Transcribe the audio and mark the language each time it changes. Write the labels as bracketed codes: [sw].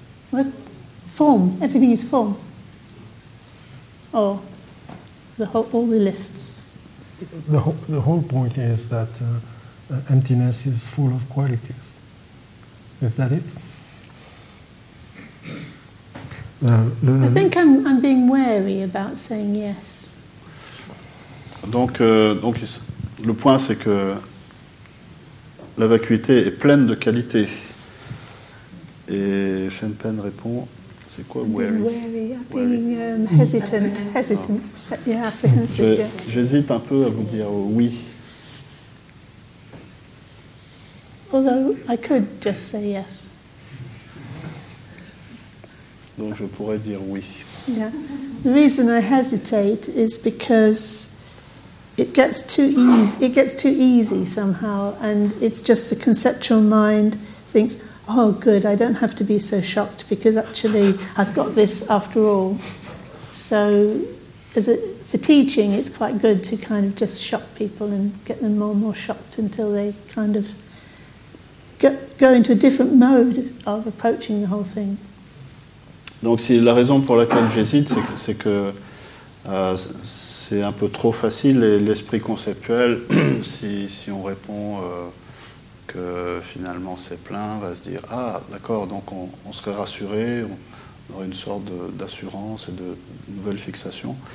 [en] What? Form. Everything is form. Or all the lists. The whole point is that emptiness is full of qualities. Is that it? I think I'm being wary about saying yes. [fr] Donc le point c'est que la vacuité est pleine de qualités. Et Shen Pen répond, c'est quoi [en] wary? Wary, being hesitant. [fr] Yeah, j'hésite un peu à vous dire oui. [en] Although I could just say yes. [fr] Donc je pourrais dire oui. [en] Yeah. The reason I hesitate is because it gets too easy somehow, and it's just the conceptual mind thinks, oh good, I don't have to be so shocked because actually I've got this after all. So for teaching it's quite good to kind of just shock people and get them more and more shocked until they kind of go into a different mode of approaching the whole thing. [fr] Donc si la raison pour laquelle j'hésite, c'est que c'est un peu trop facile l'esprit conceptuel. si on répond que finalement c'est plein, on va se dire ah d'accord, donc on serait rassuré, on aurait une sorte d'assurance et de nouvelle fixation.